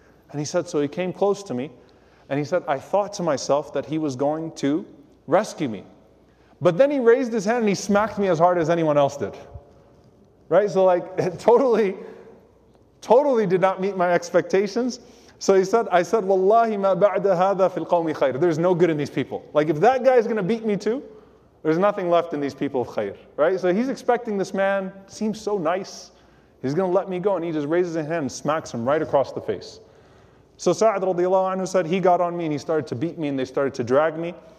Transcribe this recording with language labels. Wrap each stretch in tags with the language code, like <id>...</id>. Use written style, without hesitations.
<en>And he said, so he came close to me, and he said, I thought to myself that he was going to rescue me. But then he raised his hand and he smacked me as hard as anyone else did. Right? So like, it totally, totally did not meet my expectations. So he said, I said,</en> <ar>وَاللَّهِ مَا بَعْدَ هَذَا فِي الْقَوْمِ خَيْرٍ.</ar> <en>There's no good in these people. Like, if that guy is going to beat me too, there's nothing left in these people of khair, right? So he's expecting this man, seems so nice, he's going to let me go, and he just raises his hand and smacks him right across the face. So Sa'd radiallahu anhu said, he got on me and he started to beat me and they started to drag me.</en>